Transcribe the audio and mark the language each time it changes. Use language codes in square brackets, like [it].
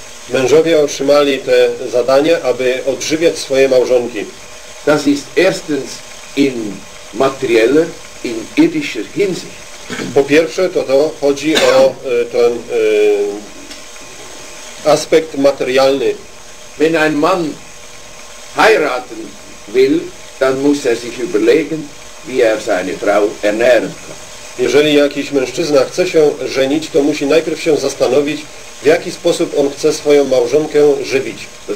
[pl] Mężowie otrzymali te zadania, aby odżywiać swoje małżonki. [de] Das ist erstens in materieller, in irdischer Hinsicht. [pl] Po pierwsze, to chodzi o ten aspekt materialny. [de] Wenn ein Mann heiraten will, dann muss er sich überlegen, wie er seine Frau ernähren kann. [pl] Jeżeli jakiś mężczyzna chce się żenić, to musi najpierw się zastanowić, w jaki sposób on chce swoją małżonkę żywić.